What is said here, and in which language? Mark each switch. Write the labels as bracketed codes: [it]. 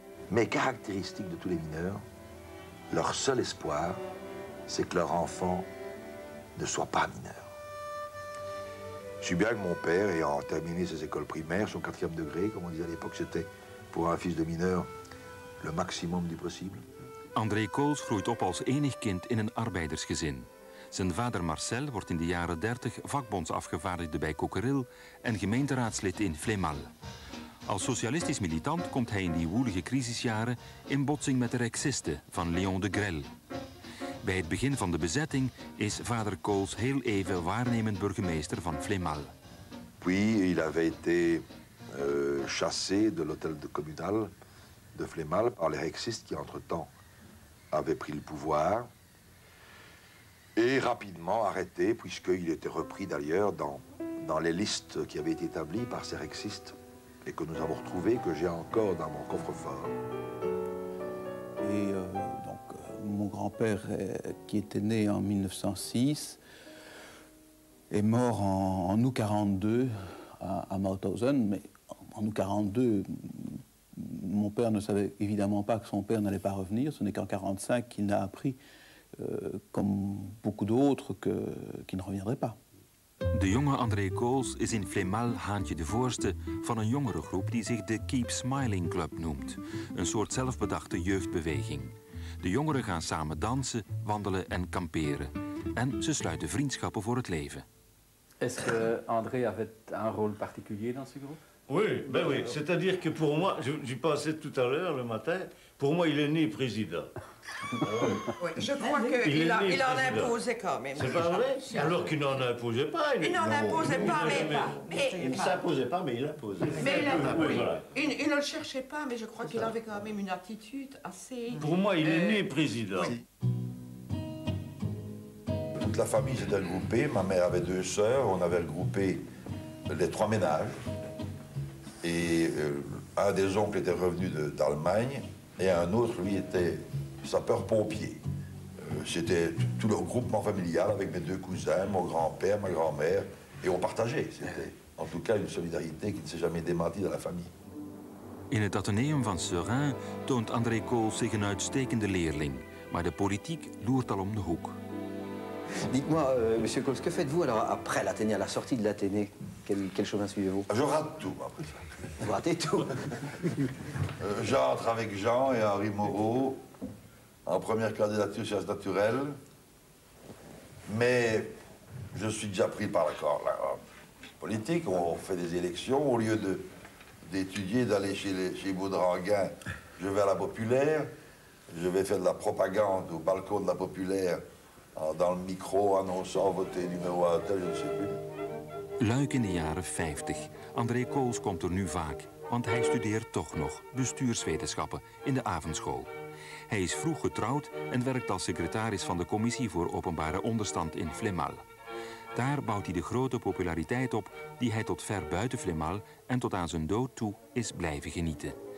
[fr] Mais caractéristique de tous les mineurs, leur seul espoir, c'est que leur enfant ne soit pas mineur. Je suis bien que mon père, ayant terminé ses écoles primaires, son 4e degré, comme on disait à l'époque, c'était pour un fils de mineur le maximum du possible. [nl] André Kools groeit op als enig kind in een arbeidersgezin. Zijn vader Marcel wordt in de jaren 30 vakbondsafgevaardigde bij Coquerel en gemeenteraadslid in Flémalle. Als socialistisch militant komt hij in die woelige crisisjaren in botsing met de rexisten van Léon de Grelle. Bij het begin van de bezetting is vader Kools heel even waarnemend burgemeester van Flémalle. [fr] Puis il avait été chassé de l'hôtel de communal de Flémalle par les rexistes qui entre-temps avaient pris le pouvoir. Et rapidement arrêté, puisqu'il était repris d'ailleurs dans les listes qui avaient été établies par ces rexistes et que nous avons retrouvées, que j'ai encore dans mon coffre-fort. Et donc, mon grand-père, qui était né en 1906, est mort en août 42 à Mauthausen. Mais en août 42, mon père ne savait évidemment pas que son père n'allait pas revenir. Ce n'est qu'en 45 qu'il n'a appris. Comme beaucoup d'autres, qui ne reviendraient pas. [nl] De jonge André Kools is in Flémalle haantje de voorste van een jongere groep die zich de Keep Smiling Club noemt. Een soort zelfbedachte jeugdbeweging. De jongeren gaan samen dansen, wandelen en kamperen. En ze sluiten vriendschappen voor het leven. [fr] Est-ce que André avait un rôle particulier dans ce groupe? Oui, ben oui. C'est-à-dire que pour moi, j'y pensais tout à l'heure le matin, pour moi il est né président. Oui, je crois qu'il en a imposé quand même. C'est pas vrai? Alors qu'il n'en imposait pas. Il n'en imposait pas, mais il s'imposait pas, mais il imposait. Mais il imposait. Oui. Voilà. Il ne le cherchait pas, mais je crois qu'il avait quand même une attitude assez. Pour moi, il est né président. Oui. Toute la famille s'était regroupée. Ma mère avait deux sœurs. On avait regroupé les trois ménages. Et un des oncles était revenu d'Allemagne. Et un autre, lui, était sapeur-pompier. C'était tout leur groupement familial avec mes deux cousins, mon grand-père, ma grand-mère. Et on partageait. C'était en tout cas une solidarité qui ne s'est jamais démentie dans la famille. [nl] In het Atheneum van Seurin toont André Kool zich een uitstekende leerling. Maar de politiek loert al om de hoek. [fr] Dites-moi, monsieur Kool, que faites-vous alors après l'Athénée, à la sortie de l'Athénée? Quel chemin suivez-vous? Je rate tout, après ça. Vous ratez tout? J'entre avec Jean et Henri Moreau en première candidature sciences naturelles. Mais je suis déjà pris par l'accord politique. On fait des élections au lieu d'étudier, d'aller chez Baudranguin, je vais à la Populaire, je vais faire de la propagande au balcon de la Populaire, dans le micro, annonçant voter numéro un tel, je ne sais plus. [nl] Luik in de jaren 50. André Kools komt er nu vaak, want hij studeert toch nog bestuurswetenschappen in de avondschool. Hij is vroeg getrouwd en werkt als secretaris van de Commissie voor Openbare Onderstand in Flemmal. Daar bouwt hij de grote populariteit op die hij tot ver buiten Flemmal en tot aan zijn dood toe is blijven genieten.